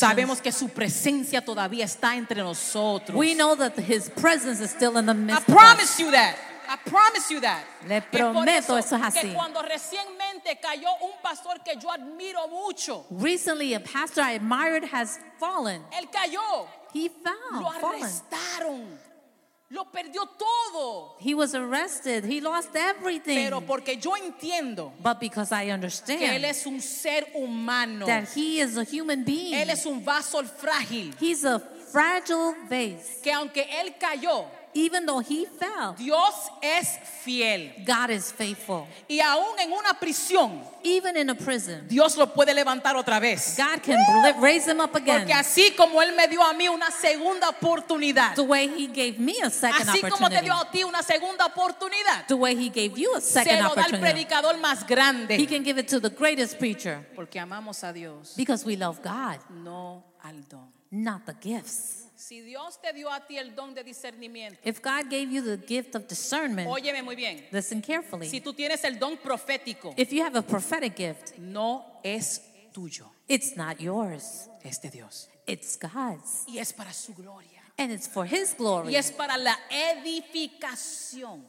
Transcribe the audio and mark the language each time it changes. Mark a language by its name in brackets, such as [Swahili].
[Spanish] Sabemos que su presencia todavía está entre nosotros. [English] We know that his presence is still in the midst. I promise you that. I promise you that. [Spanish] Le prometo eso es así. Que cuando recientemente cayó un pastor que yo admiro mucho. [English] Recently a pastor I admired has fallen. [Spanish] Él cayó. [English] He fell. [Spanish] Lo arrestaron. Lo perdió todo. [English] He was arrested. He lost everything. [Spanish] Pero porque yo entiendo. [English] But because I understand. [Spanish] Que él es un ser humano. [English] That he is a human being. [Spanish] Él es un vaso frágil. [English] He's a fragile vase. [Spanish] Que aunque él cayó. [English] Even though he fell, [Spanish] Dios es fiel. [English] God is faithful. [Spanish] Y aún en una prisión, [English] even in a prison, [Spanish] Dios lo puede levantar otra vez. [English] God can raise him up again. [Spanish] Porque así como él me dio a mí una segunda oportunidad, [English] the way he gave me a second [Spanish] así [English] opportunity, [Spanish] así como te dio a ti una segunda oportunidad, [English] the way he gave you a second opportunity, [Spanish] se lo da al predicador más grande. [English] He can give it to the greatest preacher. [Spanish] Porque amamos a Dios. [English] Because we love God. [Spanish] No al don. [English] Not the gifts. [Spanish] Si Dios te dio a ti el don de discernimiento, [English] if God gave you the gift of discernment, [Spanish] óyeme muy bien, [English] listen carefully. [Spanish] Si tú tienes el don profético, [English] if you have a prophetic gift, [Spanish] no es tuyo. [English] It's not yours. [Spanish] Es de Dios. [English] It's God's. [Spanish] Y es para su gloria. [English] And it's for his glory. [Spanish] Y es para la edificación.